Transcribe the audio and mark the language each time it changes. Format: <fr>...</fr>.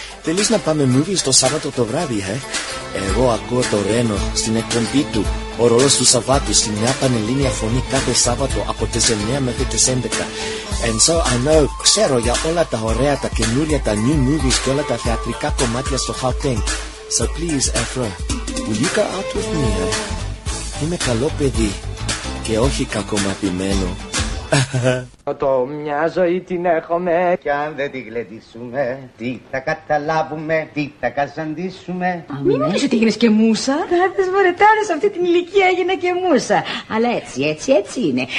<el>Θέλεις να πάμε movies το Σάββατο το βράδυ, eh? Εγώ ακούω το Ρένο στην εκπομπή του, ο ρόλος του Σαββάτου, στην μια πανελλήνια φωνή κάθε Σάββατο από τις 9 μέχρι τις 11.</el> <en>And so I know,</en> <el>ξέρω για όλα τα ωραία, τα καινούρια, τα</el> <en>new movies</en> <el>και όλα τα θεατρικά κομμάτια στο Χαουτέγκ.</el> <en>So please,</en> <el>Εφρό,</el> <en>will you go out with me, eh?</en> <el>Είμαι καλό παιδί και όχι κακομαθημένο. Το μια ζωή την έχουμε κι αν δεν τη γλεντήσουμε τι θα καταλάβουμε, τι θα καζαντήσουμε. Μην νομίζεις ότι έγινες και μούσα. Δες μωρέ, τώρα σε αυτή την ηλικία έγινε και μούσα. Αλλά έτσι, έτσι, έτσι είναι.</el>